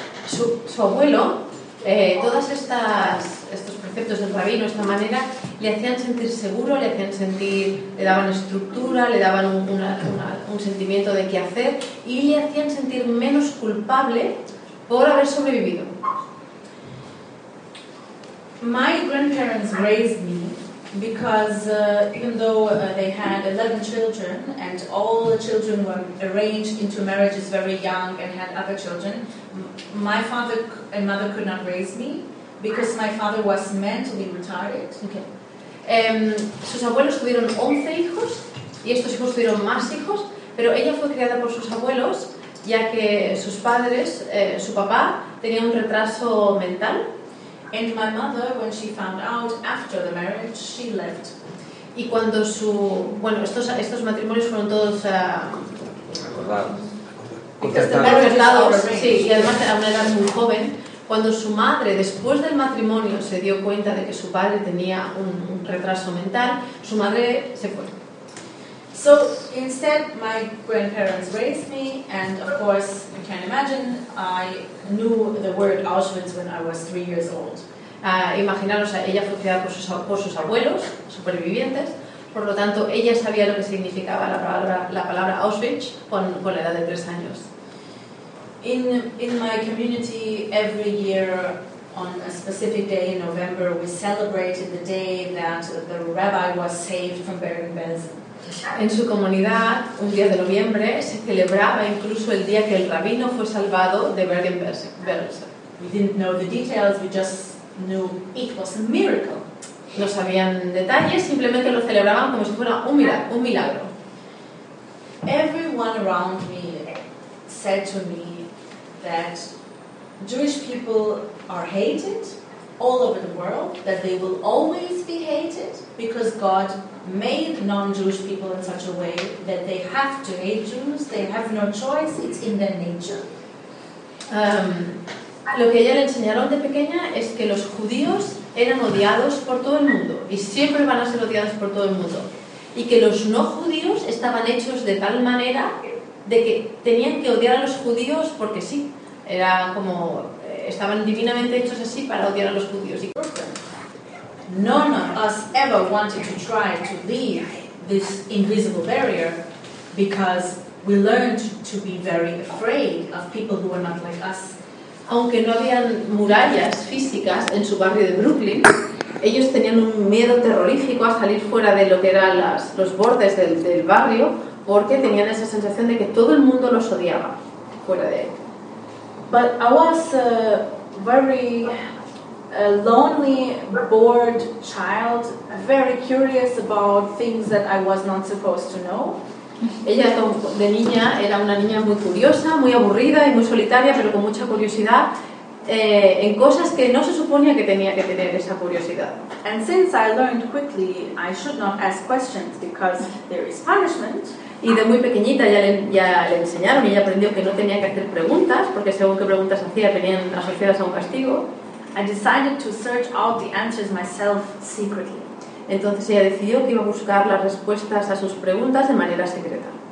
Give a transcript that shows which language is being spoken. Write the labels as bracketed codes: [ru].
[es] Su abuelo, todas estos preceptos del rabino, esta manera, le hacían sentir seguro, le hacían sentir, le daban estructura, le daban un sentimiento de qué hacer y le hacían sentir menos culpable por haber sobrevivido. [en] My grandparents raised me because even though they had 11 children and all the children were arranged into marriages very young and had other children, my father and mother could not raise me because my father was mentally retarded. Okay. [es] Sus abuelos tuvieron 11 hijos y estos hijos tuvieron más hijos, pero ella fue criada por sus abuelos ya que sus padres, su papá, tenía un retraso mental. [en] And my mother, when she found out after the marriage, she left. [es] Y cuando su bueno estos matrimonios fueron todos acordados, sí, y además a una edad muy joven. Cuando su madre, después del matrimonio, se dio cuenta de que su padre tenía un retraso mental, su madre se fue. [en] So instead, my grandparents raised me, and of course, you can imagine, I knew the word Auschwitz when I was 3 years old. [es] Imaginaros, ella fue criada por sus abuelos, supervivientes, por lo tanto, ella sabía lo que significaba la palabra Auschwitz con la edad de 3 años. [en] In my community, every year, on a specific day in November, we celebrated the day that the rabbi was saved from Bergen-Belsen. [es] En su comunidad, un día de noviembre, se celebraba incluso el día que el rabino fue salvado de Bergen-Belsen. [en] We didn't know the details, we just knew it was a miracle. [es] No sabían detalles, simplemente lo celebraban como si fuera un milagro. [en] Everyone around me said to me that Jewish people are hated all over the world, that they will always be hated because God made non-Jewish people in such a way that they have to hate Jews, they have no choice, it's in their nature. [es] Lo que ella le enseñaron de pequeña es que los judíos eran odiados por todo el mundo y siempre van a ser odiados por todo el mundo y que los no judíos estaban hechos de tal manera de que tenían que odiar a los judíos porque sí, era como estaban divinamente hechos así para odiar a los judíos. [en] None of us ever wanted to try to leave this invisible barrier because we learned to be very afraid of people who are not like us. [es] Aunque no habían murallas físicas en su barrio de Brooklyn, ellos tenían un miedo terrorífico a salir fuera de lo que eran los bordes del barrio porque tenían esa sensación de que todo el mundo los odiaba fuera de él. [en] But I was very a lonely, bored child, very curious about things that I was not supposed to know. [es] Ella de niña era una niña muy curiosa, muy aburrida y muy solitaria, pero con mucha curiosidad en cosas que no se suponía que tenía que tener esa curiosidad. [en] And since I learned quickly, I should not ask questions because there is punishment. [es] Y de muy pequeñita ya le enseñaron y ella aprendió que no tenía que hacer preguntas porque según qué preguntas hacía venían asociadas a un castigo. [en] I decided to search out the answers myself secretly. [es] Entonces ella decidió que iba a buscar las respuestas a sus preguntas de manera secreta.